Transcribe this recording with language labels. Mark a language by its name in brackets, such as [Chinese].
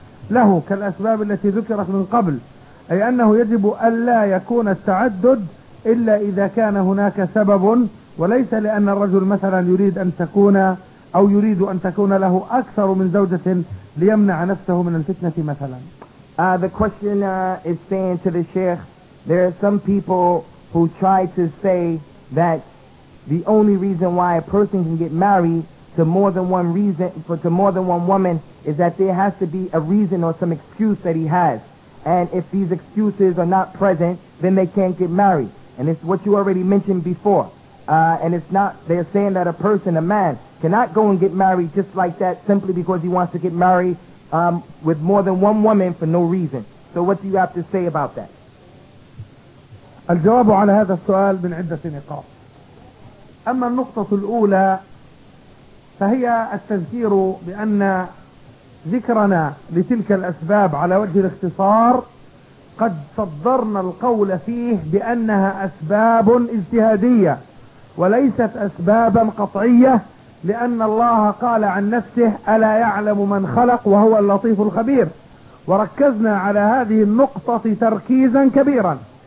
[Arabic] له كالأسباب التي ذكرت من قبل، أي أنه يجب ألا يكون التعدد إلا إذا كان هناك سبب، وليس لأن الرجل مثلا يريد أن تكون أو يريد أن تكون له أكثر من زوجة ليمنع نفسه من الفتنة مثلا. [English] The questioner is saying to the Sheikh, there are some people who try to say that the only reason why a person can get married to more than one woman is that there has to be a reason or some excuse that he has. And if these excuses are not present, then they can't get married. And it's what you already mentioned before. And it's not, they're saying that a person, a man, cannot go and get married just like that simply because he wants to get married with more than one woman for no reason. So what do you have to say about that? [Arabic] الجواب على هذا السؤال من عدة نقاط. أما النقطة الأولى فهي التذكير بأن ذكرنا لتلك الأسباب على وجه الاختصار قد صدرنا القول فيه بأنها أسباب اجتهادية وليست أسبابا قطعية، لأن الله قال عن نفسه ألا يعلم من خلق وهو اللطيف الخبير، وركزنا على هذه النقطة تركيزا كبيرا.